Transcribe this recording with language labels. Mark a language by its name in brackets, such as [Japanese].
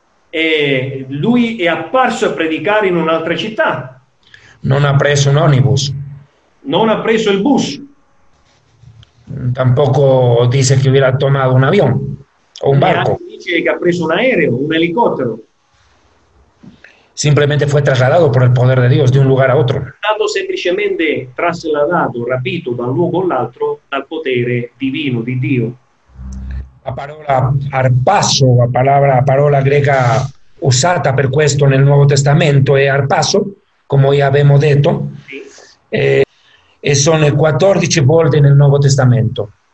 [Italian] E lui è apparso a predicare in un'altra città. Non ha preso un omnibus. Non ha preso il bus. [Spanish] Tampoco dice [Italian] che [Spanish] hubiera tomato un avion o un barco. [Italian] Dice che ha preso un aereo, un elicottero. [Spanish] Simplemente fue trasladado por el poder de Dios de un lugar a otro. [Italian] Stato semplicemente trasladato, rapito da un luogo all'altro dal potere divino di Dio. La parola arpasso, la parola greca usata per questo nel Nuovo Testamento è arpasso, come già abbiamo detto, e sono 14 volte nel Nuovo Testamento.